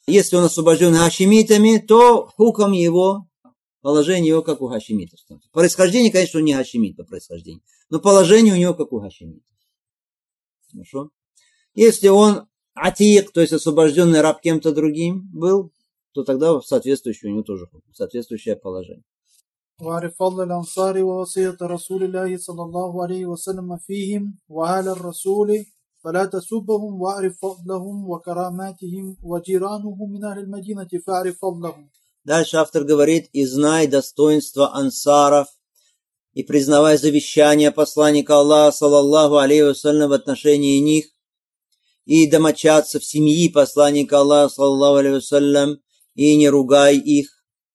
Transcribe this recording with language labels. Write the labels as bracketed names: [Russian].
[Russian] Если он освобожденный хашимитами, то хуком его, положение его как у хашимитов. Происхождение, конечно, он не хашимит по происхождению, но положение у него как у хашимитов. Хорошо? Если он атиек, то есть освобожденный раб кем-то другим был, то тогда соответствующее у него тоже соответствующее положение. [Arabic] وعرف فضل الأنصار ووصية رسول الله صلى الله عليه وسلم فيهم وأهل الرسول فلا تسبهم وأعرف فضلهم وكراماتهم وجيرانهم من أهل المدينة فأعرف فضلهم. [Russian] Дальше автор говорит: и знай достоинство ансаров и признавай завещание посланника Аллаха саллаллаху алейхи вассалям в отношении них и домочадцев семьи посланника Аллаха саллаллаху алейхи вассалям и не ругай их.